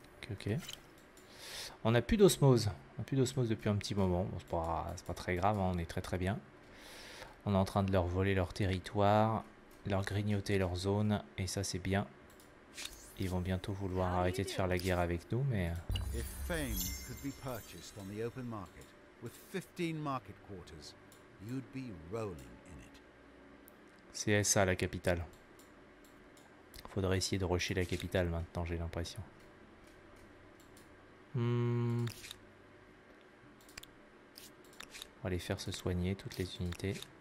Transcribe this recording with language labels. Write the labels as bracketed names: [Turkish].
[French] Ok. On a plus d'osmose. On a plus d'osmose depuis un petit moment. Bon, c'est pas très grave. Hein. On est très très bien. On est en train de leur voler leur territoire, leur grignoter leur zone. Et ça, c'est bien. Ils vont bientôt vouloir arrêter de faire la guerre avec nous. Mais. [English] If fame could be purchased on the open market with 15 market quarters, you'd be rolling. [French] C'est ça la capitale. Faudrait essayer de rusher la capitale maintenant, j'ai l'impression. On va les faire se soigner, toutes les unités.